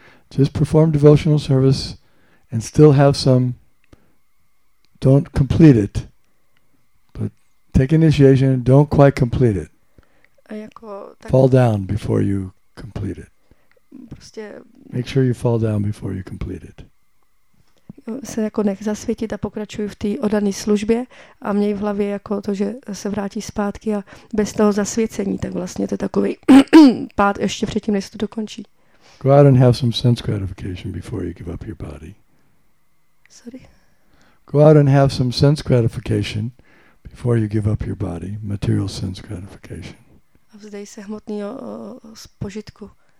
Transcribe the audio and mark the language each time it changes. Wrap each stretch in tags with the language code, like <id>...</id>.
<en>Just perform devotional service and still have some, don't complete it, but take initiation and don't quite complete it. Fall down before you complete it. Make sure you fall down before you complete it.</en> <cs>Se jako nech zasvětit a pokračuj v té oddané službě a měj v hlavě jako to, že se vrátí zpátky a bez toho zasvěcení, tak vlastně to je takový pád ještě předtím, než se to dokončí.</cs> <en>Go out and have some sense gratification before you give up your body. Sorry. Go out and have some sense gratification before you give up your body, material sense gratification.</en> <cs>A vzdej se hmotného požitku.</cs>